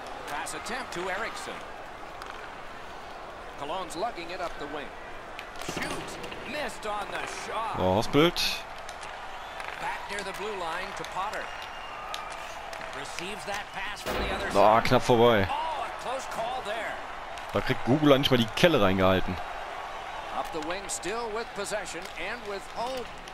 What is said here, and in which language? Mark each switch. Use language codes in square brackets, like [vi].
[en] Pass attempt to Eriksson. Cologne's lugging it up the wing. Shoot, missed on the shot. Oh, Hospelt. Back near the blue line to Potter. Receives that pass from the other side. [de] Oh, knapp vorbei. [en] Oh, a close call there. [de] Da kriegt Gugula nicht mal die Kelle reingehalten. [en] Up the wing still with possession and with hope.